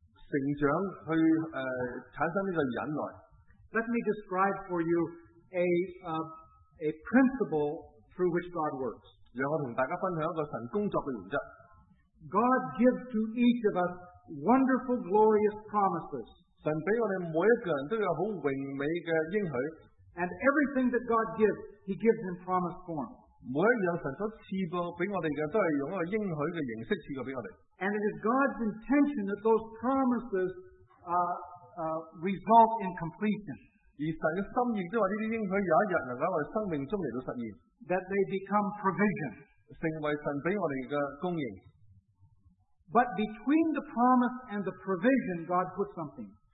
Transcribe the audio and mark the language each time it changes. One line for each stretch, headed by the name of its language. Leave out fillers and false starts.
Chinese: 在我们经历考验的时候，神就帮助我们生命里边去成长，去产生这个忍耐。
English: Let me describe for you a principle through which God works.
Chinese: 让我同大家分享一个神工作的原则。
English: God gives to each of us wonderful, glorious promises.
Chinese: 神给我们每一个人都有很荣美的应许。
English: And everything that God gives, He gives in promise form.
Chinese: 每一样神所赐给我们的，都是用一个应许的形式赐给我们。
English: And it is God's intention that those promises result in completion.
Chinese: 而神的心意都是这些应许有一天能够在我们生命中来到实现。
English: That they become provision.
Chinese: 成为神给我们的供应。
English: But between the promise and the provision, God put something.